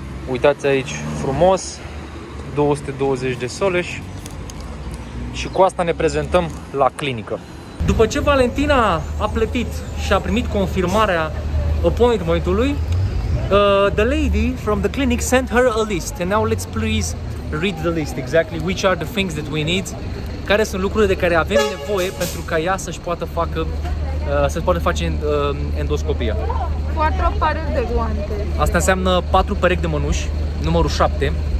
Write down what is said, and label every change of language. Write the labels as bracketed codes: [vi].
[ro] Uitați aici frumos, 220 de soleș și cu asta ne prezentăm la clinică. După ce Valentina a plătit și a primit confirmarea appointmentului, [en] the lady from the clinic sent her a list. And now let's please read the list, exactly which are the things that we need. [ro] Care sunt lucrurile de care avem nevoie pentru ca ea să-și poată facă, să-și poată face endoscopia. [es] 4 pareri de guante. [ro] Asta înseamnă 4 perechi de mănuși, numărul 7.